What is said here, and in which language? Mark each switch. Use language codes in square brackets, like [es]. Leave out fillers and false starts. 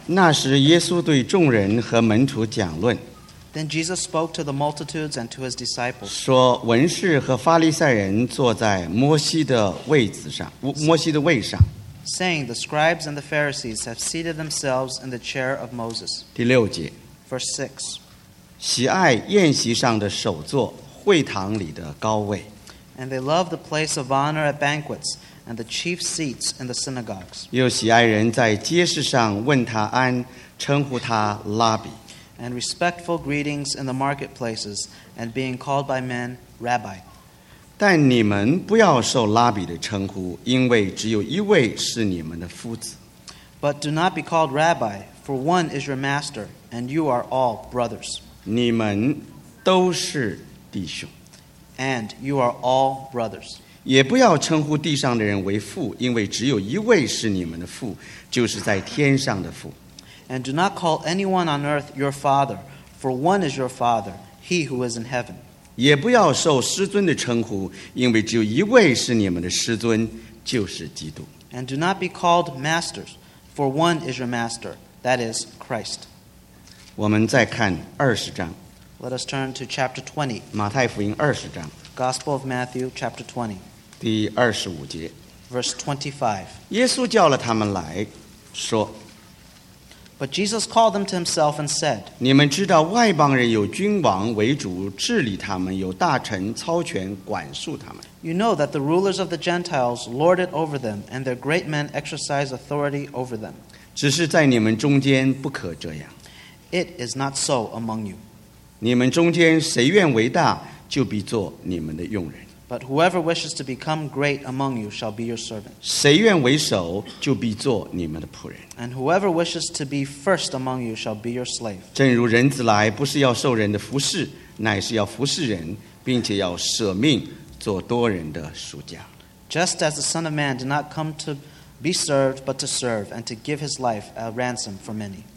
[zh] 那时耶稣对众人和门徒讲论。 [en] Then Jesus spoke to the multitudes and to his disciples. [zh] 说文士和法利赛人坐在摩西的位上。 [en] Saying the scribes and the Pharisees have seated themselves in the chair of Moses. [zh] 第六节. [en] Verse 6. [zh] 喜爱宴席上的首座，会堂里的高位。 [en] And they love the place of honor at banquets and the chief seats in the synagogues. [zh] 又喜爱人在街市上问他安, 称呼他拉比。 [en] And respectful greetings in the marketplaces and being called by men rabbi. [zh] 但你们不要受拉比的称呼, 因为只有一位是你们的夫子。 [en] But do not be called rabbi, for one is your master, and you are all brothers. [zh] 你们都是弟兄。 [en] And you are all brothers. [zh] 也不要称呼地上的人为父, 因为只有一位是你们的父, 就是在天上的父。 [en] And do not call anyone on earth your father, for one is your father, he who is in heaven. [zh] 也不要受师尊的称呼, 因为只有一位是你们的师尊, 就是基督。 [en] And do not be called masters, for one is your master, that is Christ. [zh] 我们再看20章。 [en] Let us turn to chapter 20. [zh] 马太福音20章。 [en] Gospel of Matthew, chapter 20. [zh] 第25节。 [en] Verse 25. [zh] 耶稣叫了他们来说。 [en] But Jesus called them to himself and said, [zh] 你们知道外邦人有君王为主治理他们,有大臣操权管束他们。 [en] You know that the rulers of the Gentiles lord it over them, and their great men exercise authority over them. [zh] 只是在你们中间不可这样。 [en] It is not so among you. [zh] 你们中间谁愿为大, 就必做你们的用人。 [en] But whoever wishes to become great among you shall be your servant. [zh] 谁愿为首, 就必做你们的仆人。 [en] And whoever wishes to be first among you shall be your slave. [zh] 正如人子来, 不是要受人的服侍, 乃是要服侍人, 并且要舍命, 做多人的赎价。 [en] Just as the Son of Man did not come to be served, but to serve, and to give his life a ransom for many.